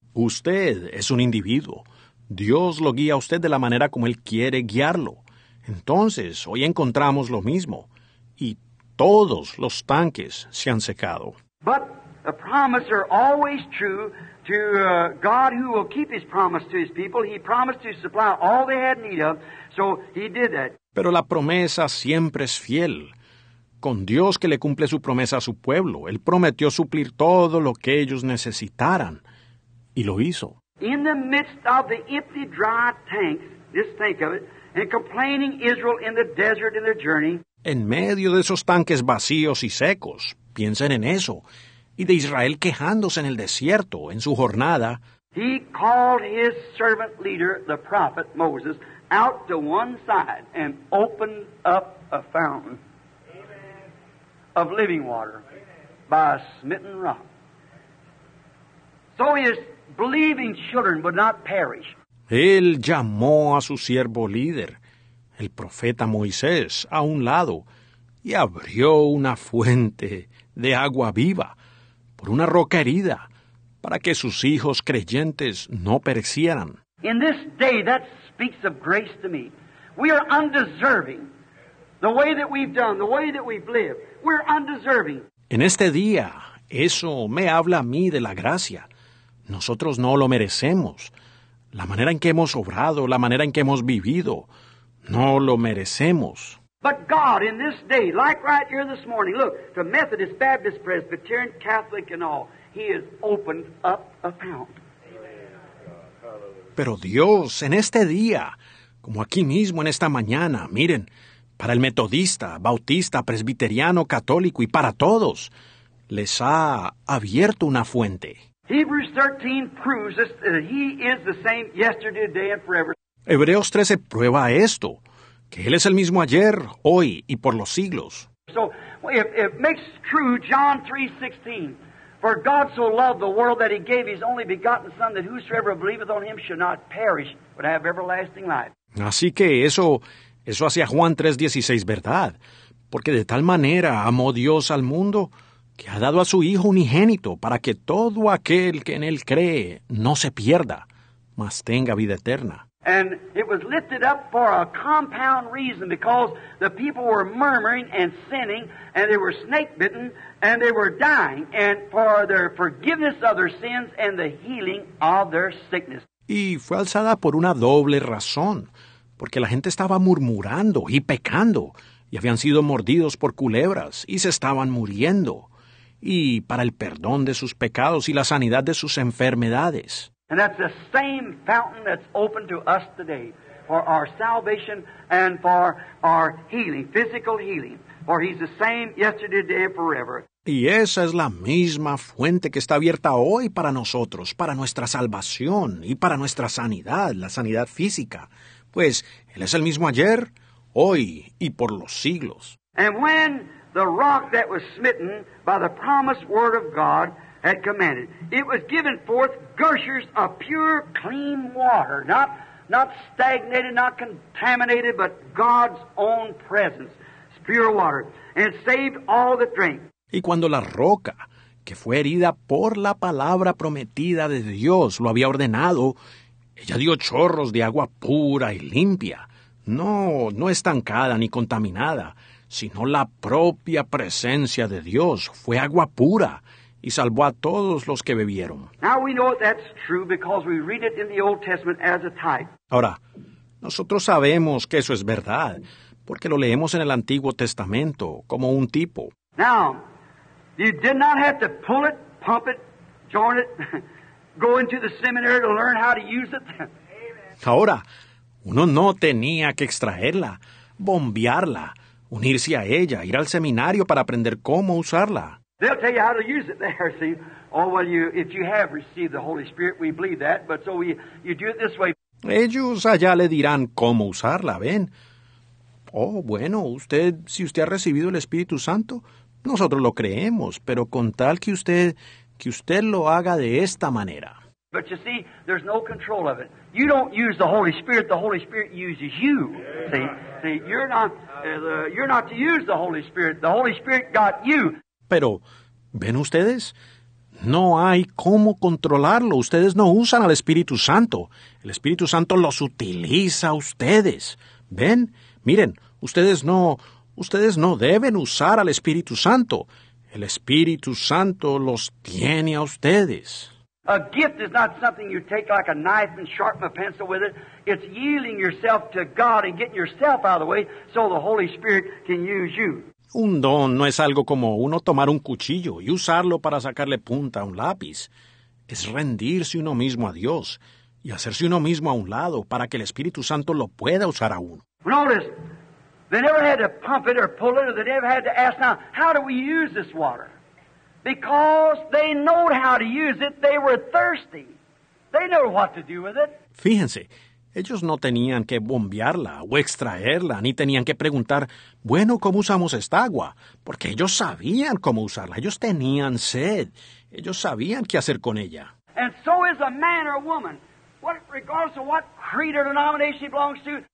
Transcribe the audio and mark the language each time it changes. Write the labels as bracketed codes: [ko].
[es] Usted es un individuo. Dios lo guía a usted de la manera como Él quiere guiarlo. Entonces, hoy encontramos lo mismo. Y todos los tanques se han secado. [en] But the promises are always true to God who will keep His promise to His people. He promised to supply all they had need of, so He did that. [es] Pero la promesa siempre es fiel. Con Dios que le cumple su promesa a su pueblo, Él prometió suplir todo lo que ellos necesitaran. Y lo hizo. [en] In the midst of the empty, dry tanks, just think of it, and complaining Israel in the desert in their journey. [es] En medio de esos tanques vacíos y secos, piensen en eso, y de Israel quejándose en el desierto, en su jornada. [en] He called his servant leader, the prophet Moses, out to one side and opened up a fountain of living water by a smitten rock, so his believing children would not perish. [es] Él llamó a su siervo líder, el profeta Moisés, a un lado, y abrió una fuente de agua viva por una roca herida, para que sus hijos creyentes no perecieran. [en] In this day, that speaks of grace to me. We are undeserving. The way that we've done, the way that we've lived, we're undeserving. [es] En este día, eso me habla a mí de la gracia. Nosotros no lo merecemos. La manera en que hemos obrado, la manera en que hemos vivido, no lo merecemos. [en] But God, in this day, like right here this morning, look, to Methodist, Baptist, Presbyterian, Catholic, and all, He has opened up a fountain. [es] Pero Dios, en este día, como aquí mismo en esta mañana, miren, para el metodista, bautista, presbiteriano, católico y para todos, les ha abierto una fuente. [en] Hebrews 13 proves this, that He is the same yesterday, today, and forever. [es] Hebreos 13 prueba esto, que Él es el mismo ayer, hoy y por los siglos. [en] So, it makes true John 3:16. For God so loved the world that He gave His only begotten Son, that whosoever believeth on Him should not perish, but have everlasting life. [es] Así que eso hacía Juan 3:16, ¿verdad? Porque de tal manera amó Dios al mundo, que ha dado a su Hijo unigénito, para que todo aquel que en Él cree no se pierda, mas tenga vida eterna. [en] And it was lifted up for a compound reason, because the people were murmuring and sinning, and they were snake-bitten, and they were dying, and for their forgiveness of their sins and the healing of their sickness. [es] Y fue alzada por una doble razón, porque la gente estaba murmurando y pecando, y habían sido mordidos por culebras, y se estaban muriendo, y para el perdón de sus pecados y la sanidad de sus enfermedades. [en] And that's the same fountain that's open to us today for our salvation and for our healing, physical healing. For He's the same yesterday, today, and forever. [es] Y esa es la misma fuente que está abierta hoy para nosotros, para nuestra salvación y para nuestra sanidad, la sanidad física. Pues Él es el mismo ayer, hoy y por los siglos. [en] And when the rock that was smitten by the promised word of God had commanded, it was given forth gushers of pure, clean water, not stagnated, not contaminated, but God's own presence, pure water, and saved all that drank. [es] Y cuando la roca, que fue herida por la palabra prometida de Dios, lo había ordenado, ella dio chorros de agua pura y limpia, no estancada ni contaminada, sino la propia presencia de Dios, fue agua pura, y salvó a todos los que bebieron. [en] Now we know that's true because we read it in the Old Testament as a type. [es] Ahora, nosotros sabemos que eso es verdad, porque lo leemos en el Antiguo Testamento como un tipo. [en] Now, you did not have to pull it, pump it, join it, go into the seminary to learn how to use it. [es] Ahora, uno no tenía que extraerla, bombearla, unirse a ella, ir al seminario para aprender cómo usarla. [en] They'll tell you how to use it there, see. Oh, well, if you have received the Holy Spirit, we believe that, but so you do it this way. [es] Ellos allá le dirán cómo usarla, ¿ven? Oh, bueno, si usted ha recibido el Espíritu Santo, nosotros lo creemos, pero con tal que usted lo haga de esta manera. [en] But you see, there's no control of it. You don't use the Holy Spirit uses you, see. See, you're not to use the Holy Spirit got you. [es] Pero, ¿ven ustedes? No hay cómo controlarlo. Ustedes no usan al Espíritu Santo. El Espíritu Santo los utiliza a ustedes. ¿Ven? Miren, ustedes no deben usar al Espíritu Santo. El Espíritu Santo los tiene a ustedes. [en] A gift is not something you take like a knife and sharpen a pencil with it. It's yielding yourself to God and getting yourself out of the way so the Holy Spirit can use you. [es] Un don no es algo como uno tomar un cuchillo y usarlo para sacarle punta a un lápiz. Es rendirse uno mismo a Dios y hacerse uno mismo a un lado para que el Espíritu Santo lo pueda usar a uno. [en] Notice, They never had to pump it or pull it, or they never had to ask, now, how do we use this water? Because they know how to use it. They were thirsty. They know what to do with it. [es] Fíjense, ellos no tenían que bombearla o extraerla, ni tenían que preguntar, bueno, ¿cómo usamos esta agua? Porque ellos sabían cómo usarla. Ellos tenían sed. Ellos sabían qué hacer con ella. [en] And so is a man or a woman. What, regardless of what creed or denomination he belongs to.